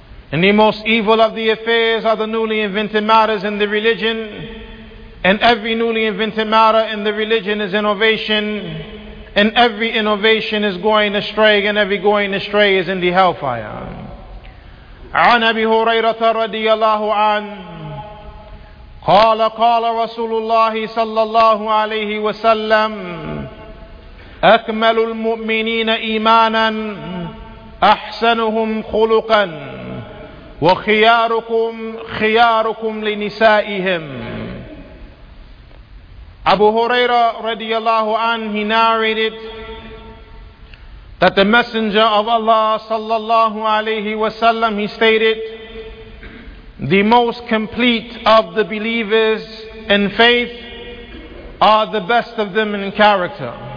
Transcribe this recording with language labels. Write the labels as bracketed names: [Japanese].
[English] And the most evil of the affairs are the newly invented matters in the religion. And every newly invented matter in the religion is innovation. And every innovation is going astray, and every going astray is in the hellfire. [Arabic] عن أبي هريرة رضي الله عنه قال قال رسول الله صلى الله عليه وسلم أكمل المؤمنين إيمانا أحسنهم خلقا وخياركم لنسائهم. [English] Abu Huraira radiyallahu an, he narrated that the Messenger of Allah sallallahu alayhi wa sallam, he stated, the most complete of the believers in faith are the best of them in character.